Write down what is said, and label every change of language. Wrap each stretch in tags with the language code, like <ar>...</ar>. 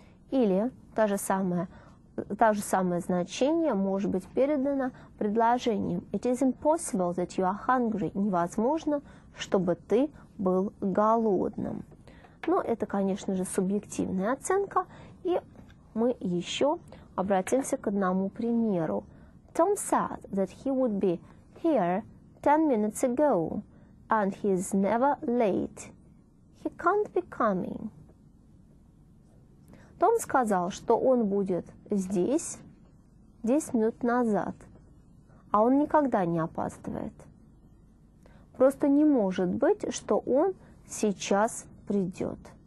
<ru>Или то же самое значение может быть передано предложением.</ru> <en>It is impossible that you are hungry.</en> <ru>Невозможно, чтобы ты был голодным. Но это, конечно же, субъективная оценка. И мы еще обратимся к одному примеру.</ru> <en>Tom said that he would be here 10 minutes ago, and he is never late. He can't be coming.</en> <ru>Том сказал, что он будет здесь 10 минут назад, а он никогда не опаздывает. Просто не может быть, что он сейчас придет.</ru>